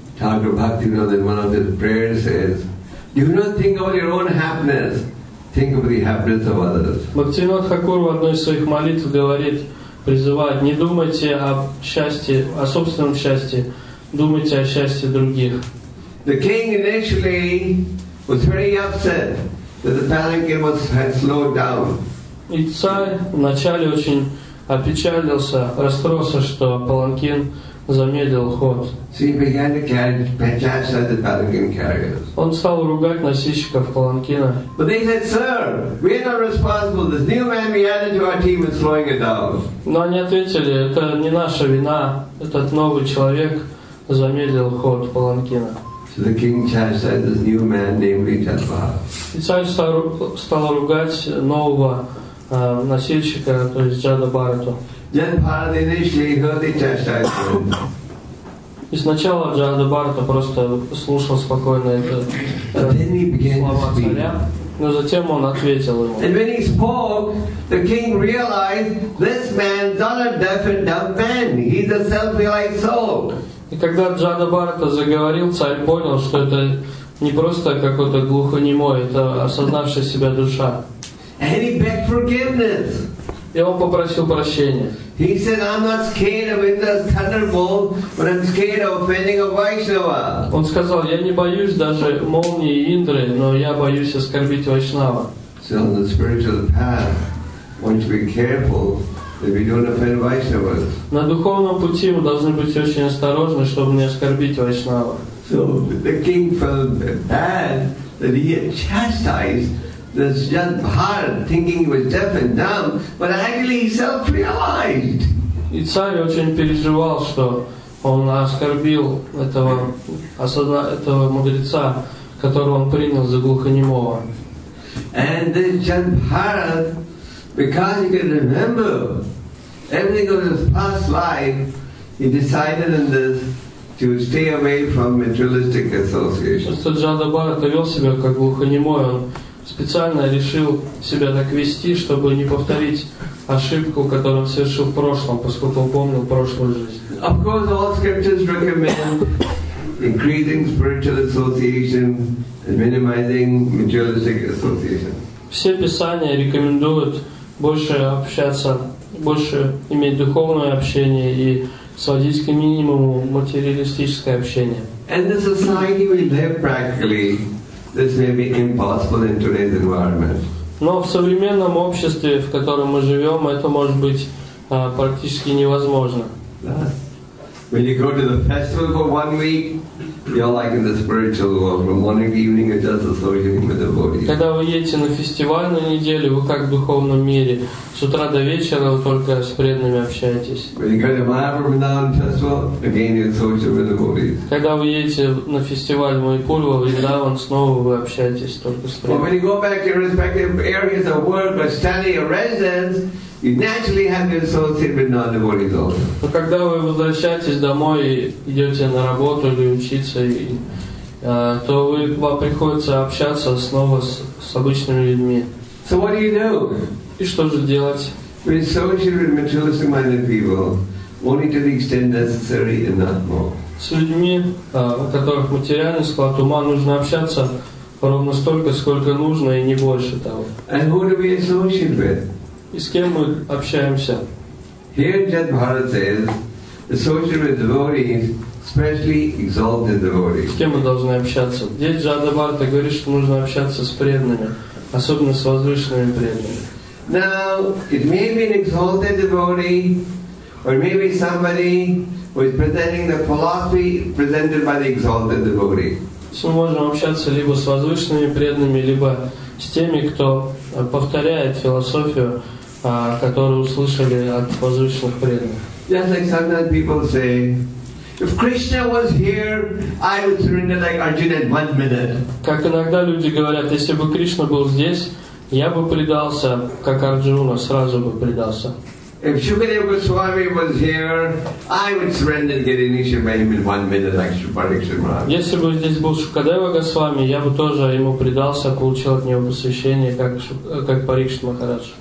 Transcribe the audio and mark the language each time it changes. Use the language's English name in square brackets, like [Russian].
[English] Thakur Bhaktivinoda, one of his prayers says, "Do not think about your own happiness. Think of the happiness of others." [Russian] Бхактивинода Хакур в одной из своих молитв говорит, призывает: не думайте о счастье, о собственном счастье, думайте о счастье других. [English] The king initially was very upset that the palanquin had slowed down. [Russian] И царь вначале очень опечалился, расстроился, что паланкин замедлил ход. [English] So he began to chastise the palanquin carriers. [Russian] Он стал ругать носильщиков паланкина. [English] But they said, "Sir, we are not responsible. This new man we added to our team is slowing it down." [Russian] Но они ответили: "Это не наша вина. Этот новый человек замедлил ход паланкина." [English] So the king chastised this new man named Jadabharata. [Russian] И царь стал ругать нового носильщика, то есть Джадабхарату. [English] Jadabharata initially heard the chastisement. [Russian] И сначала Джадабхарата просто слушал спокойно это слова царя. Но затем он ответил ему. [English] And when he spoke, the king realized this man's not a deaf and dumb man. He's a self-realized soul. [Russian] И когда Джанабарта заговорил, царь понял, что это не просто какой-то глухонемой, это осознавшая себя душа. [English] And he begged forgiveness. [Russian] И он попросил прощения. [English] He said, "I'm not scared of the thunderbolt, but I'm scared of offending a Vaishnava." [Russian] Он сказал, я не боюсь даже молнии Индры, но я боюсь оскорбить Вайшнава. [English] So on the spiritual path, one should be careful that we don't offend Vaishnavas. [Russian] На духовном пути мы должны быть очень осторожны, чтобы не оскорбить Вайшнава. [English] So the king felt bad that he had chastised. This young Bharat, thinking he was deaf and dumb, but actually he self-realized. [Russian] И царь очень переживал, что он оскорбил этого мудреца, которого он принял за глухонемого. [English] And this young Bharat, because he could remember everything of his past life, he decided in this to stay away from materialistic associations. [Russian] Что Джанда Бхарата вел себя как глухонемой, он специально решил себя так вести, чтобы не повторить ошибку, которую он совершил в прошлом, поскольку он помнил прошлую жизнь. [English] Of course, all scriptures recommend increasing spiritual association and minimizing materialistic association. [Russian] Все писания рекомендуют больше общаться, больше иметь духовное общение и сводить к минимуму материалистическое общение. [English] And the society we live practically. This may be impossible in today's environment. [Russian] Но в современном обществе, в котором мы живем, это может быть практически невозможно. [English] When you go to the festival for 1 week, you're like in the spiritual world. From morning to evening, you're just associating with the body. [Russian] Когда вы едете на фестиваль на неделю, вы как в духовном мире. С утра до вечера вы только с преданными общаетесь. [English] When you go to Mayapur Vrindavan festival, again you're associating with the bodies. [Russian] Когда вы едете на фестиваль Майпур во Вриндаван, снова вы общаетесь только с преданными. [English] When you go back to your respective areas of work or study or residence, you naturally have to associate with non-devotees also. [Russian] Но когда вы возвращаетесь домой и идете на работу или учиться, то вам приходится общаться снова с обычными людьми. [English] So what do you do? [Russian] И что же делать? [English] We associate with materialistic-minded people only to the extent necessary and not more. [Russian] С людьми, у которых материальный склад ума, нужно общаться ровно столько, сколько нужно, и не больше того. [English] And who do we associate with? [Russian] И с кем мы общаемся? [English] Here Jad Bharat says, associate with devotees, especially exalted devotees. [Russian] С кем мы должны общаться? Здесь Джада Бхарата говорит, что нужно общаться с преданными, особенно с возвышенными преданными. [English] Now, it may be an exalted devotee, or maybe somebody who is presenting the philosophy presented by the exalted devotee. [Russian] Мы можем общаться либо с возвышенными преданными, либо с теми, кто повторяет философию, которую услышали от возвышенных преданных. [English] Just like sometimes people say, if Krishna was here, I would surrender like Arjuna in 1 minute. [Russian] Как иногда люди говорят, если бы Кришна был здесь, я бы предался, как Арджуна, сразу бы предался. [English] If Shukadeva Goswami was here, I would surrender get initiation by him in 1 minute like Shri Parikshit. [Russian] Если бы здесь был Шукадева Госвами, я бы тоже ему предался, получил от него посвящение, как Парикшит Махарадж.